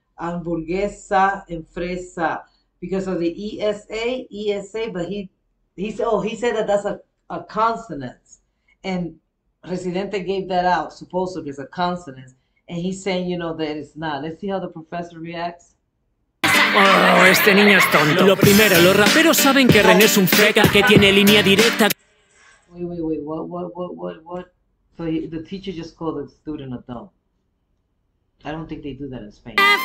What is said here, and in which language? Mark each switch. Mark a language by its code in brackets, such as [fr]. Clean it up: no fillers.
[en] Hamburguesa and fresa. Because of the ESA, but he said that that's a consonant. And Residente gave that out, supposedly it's a consonant. And he's saying, you know, that it's not. Let's see how the professor reacts. [es] Oh, este niño es tonto. Lo primero, los raperos saben que René es un freca que tiene línea directa. [en] Wait, what? So the teacher just called the student a dumb. I don't think they do that in Spain.